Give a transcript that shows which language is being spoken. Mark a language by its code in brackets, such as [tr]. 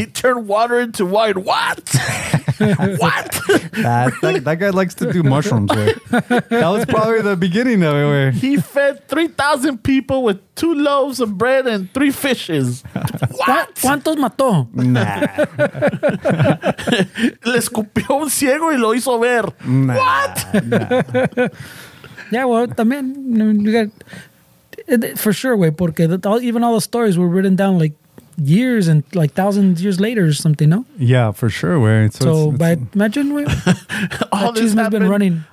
[en] He turned water into wine. What? What? That guy likes to do mushrooms. Right? That was probably the beginning of it. Where he fed 3,000 people with 2 loaves of bread and 3 fishes. What? [es] ¿Cuántos mató? [en] Nah. [es] Le escupió un ciego y lo hizo ver. [en] Nah, what? Nah. Yeah, well, también, I mean, you got, for sure, güey, porque even all the stories were written down like years and like thousands years later or something, no? Yeah, for sure, güey. So but imagine, güey, all this cheese happened, been running.